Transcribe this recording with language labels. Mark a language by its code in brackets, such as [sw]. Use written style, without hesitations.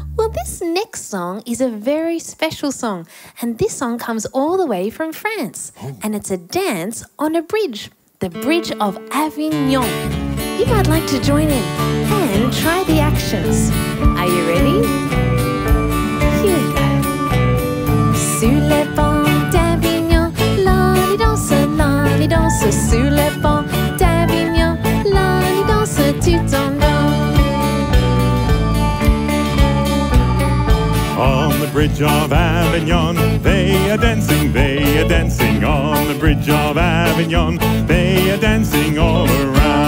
[en] Well, this next song is a very special song, and this song comes all the way from France. Oh. And it's a dance on a bridge, the Bridge of Avignon. You might like to join in and try the actions. Are you ready? [fr] Sous les ponts d'Avignon, la-di-danse, sous les ponts d'Avignon, la-di-danse, tu t'en vas. [en] On the Bridge of Avignon, they are dancing, on the Bridge of Avignon, they are dancing all around.